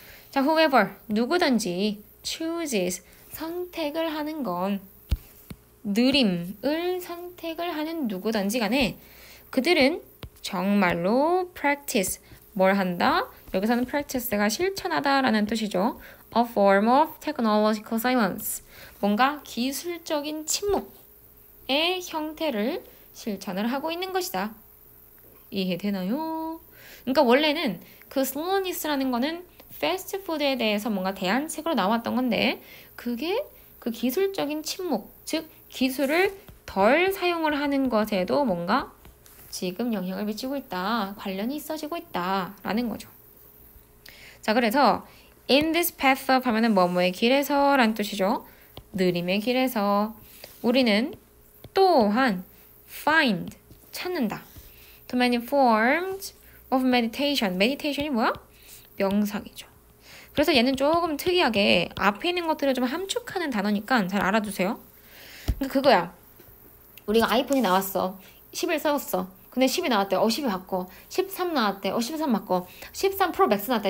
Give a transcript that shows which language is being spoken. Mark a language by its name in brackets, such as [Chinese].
[Korean] 자, whoever 누구든지 chooses 선택을 하는 건 느림을 선택을 하는 누구든지 간에 그들은 정말로 practice 뭘 한다? 여기서는 practice가 실천하다 라는 뜻이죠. [English] A form of technological silence. [Korean] 뭔가 기술적인 침묵의 형태를 실천을 하고 있는 것이다. 이해되나요? 그러니까 원래는 그 slowness라는 거는 패스트푸드에 대해서 뭔가 대안책으로 나왔던 건데 그게 그 기술적인 침묵, 즉 기술을 덜 사용을 하는 것에도 뭔가 지금 영향을 미치고 있다, 관련이 있어지고 있다라는 거죠. 자, 그래서 [English] in this path of [Korean] 하면은 뭐뭐의 길에서라는 뜻이죠. 느림의 길에서 우리는 또한 find 찾는다. [English] To many forms of meditation. [Korean] Meditation이 뭐야? 명상이죠. 그래서 얘는 조금 특이하게 앞에 있는 것들을 좀 함축하는 단어니까 잘 알아두세요. 그거야. 우리가 아이폰이 나왔어. 10을 써봤어. 근데 10이 나왔대. 10이 바꿔. 13 나왔대. 13 바꿔. 13 프로 맥스 나왔대.